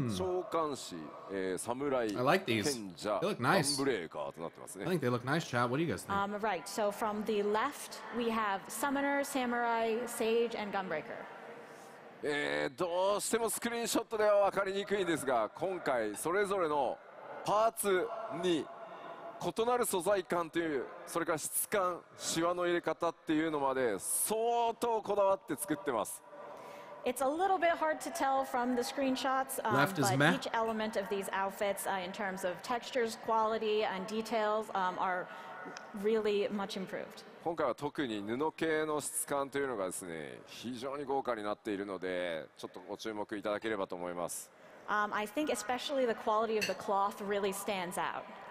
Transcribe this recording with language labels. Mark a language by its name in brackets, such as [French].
[Japanese] こちら左から召喚士、侍、賢者、I [English] like these. They look nice. [Japanese] ガンブレーカーとなってますね。 [English] I think they look nice, chat. What do you guys think? Right. So from the left, we have summoner, samurai, sage, and gunbreaker. [Japanese] どうしてもスクリーンショットでは分かりにくいんですが、今回それぞれのパーツに異なる素材感という、それから質感、シワの入れ方っていうのまで相当こだわって作ってます。 [English] It's a little bit hard to tell from the screenshots, but each element of these outfits, in terms of textures, quality, and details, are really much improved. [Japanese] 今回は特に布系の質感というのがですね、非常に豪華になっているので、ちょっとご注目いただければと思います。 [English] I think especially the quality of the cloth really stands out.